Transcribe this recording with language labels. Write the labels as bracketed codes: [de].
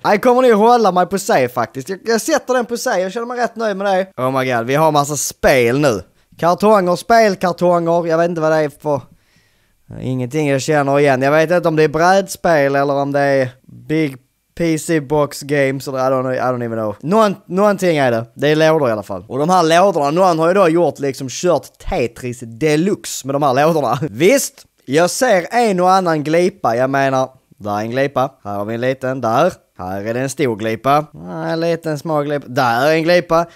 [sv] Jag kommer nog hålla mig på sig faktiskt. Jag sätter den på sig, jag känner mig rätt nöjd med det. [en] Oh my god, [sv] vi har massa spel nu. Kartonger, spelkartonger, jag vet inte vad det är för... Ingenting jag känner igen. Jag vet inte om det är brädspel eller om det är big... [en] PC box games, [sv] eller [en] I don't even know. [sv] Någonting är det. Det är lådor i alla fall. Och de här lådorna, någon har ju då gjort liksom kört Tetris Deluxe med de här lådorna. Visst, jag ser en och annan glipa. Jag menar, där är en glipa. Här har vi en liten, där. Här är det en stor glipa. En liten små glipa. Där är en glipa.